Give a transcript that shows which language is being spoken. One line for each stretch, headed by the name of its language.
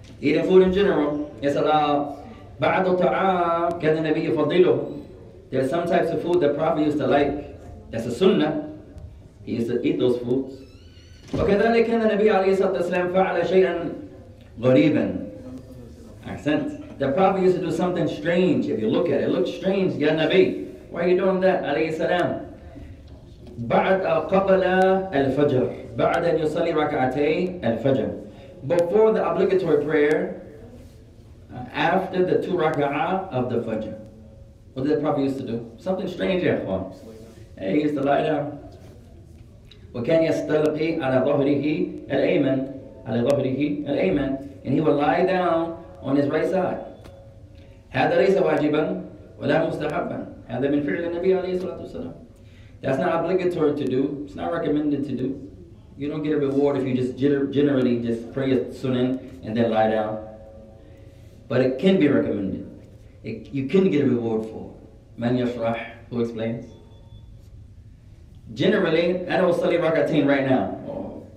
English: Eating food in general, it's allowed. There's some types of food the Prophet used to like. That's a sunnah. He used to eat those foods.
Arabic: وَكَذَلِكَ كَانَ النَّبِيُّ عَلَيْهِ الصَّلَاةُ وَالسَّلَامُ فَعَلَ شَيْئًا غَرِيبًا. Accent.
English: The Prophet used to do something strange. If you look at it, it looks strange. Ya Nabi, why are you doing that?
Arabic: عليه السلام. بعد قبل الفجر بعد أن يصلي ركعتي الفجر.
English: Before the obligatory prayer, after the two raka'ah of the fajr. What did the Prophet used to do? Something strange, ya khwan. He used to lie down.
Arabic: وكان يستلقي على ظهره الأيمن على ظهره الأيمن.
English: And he would lie down on his right side.
Arabic: هذا ليس واجبا ولا مستحبا. هذا من فعل النبي عليه الصلاة والسلام.
English: That's not obligatory to do. It's not recommended to do. You don't get a reward if you just generally just pray a sunan and then lie down. But it can be recommended. You can get a reward for. Man yashrah, who explains? Generally, I don't study rakatin right now.